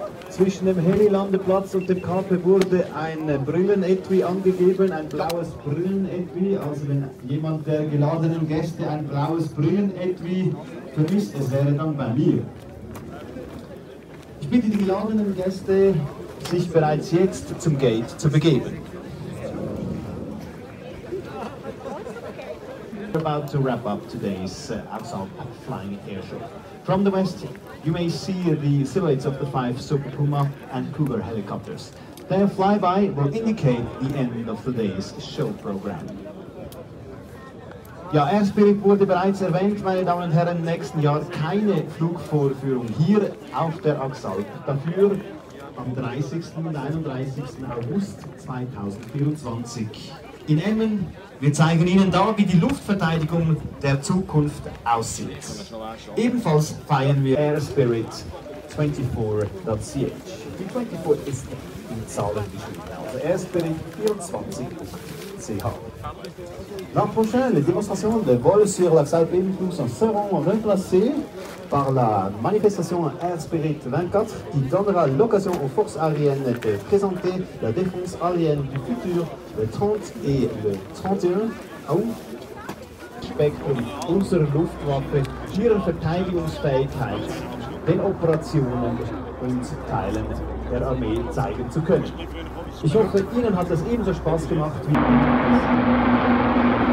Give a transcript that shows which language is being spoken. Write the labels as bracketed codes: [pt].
[de] Zwischen dem Heli-Landeplatz und dem Kape wurde ein Brillen-Etui angegeben, ein blaues Brillen-Etui. Also wenn jemand der geladenen Gäste ein blaues Brillen-Etui vermisst, es wäre dann bei mir. Ich bitte die geladenen Gäste, sich bereits jetzt zum Gate zu begeben. [en] We're about to wrap up today's Absalp Flying Air Show. From the west, you may see the silhouettes of the 5 Super Puma and Cougar helicopters. Their flyby will indicate the end of the day's show program. [de] Ja, Air Spirit wurde bereits erwähnt, meine Damen und Herren, nächsten Jahr keine Flugvorführung hier auf der Axalp. Dafür am 30. und 31. August 2024 in Emmen. Wir zeigen Ihnen da, wie die Luftverteidigung der Zukunft aussieht. Ebenfalls feiern wir Air Spirit 24.ch. Die 24 ist in Zahlen geschrieben, also Air Spirit 24.ch. [fr] L'an prochain, les démonstrations de vols sur la Xalpe Impulse seront remplacées par la manifestation Air Spirit 24 qui donnera l'occasion aux forces aériennes de présenter la défense aérienne du futur le 30 et le 31 août. [de] Spectrum, unsere Luftwaffe, ihre Verteidigungsfähigkeit, den Operationen und Teilen der Armee zeigen zu können. Ich hoffe, Ihnen hat das ebenso Spaß gemacht wie uns.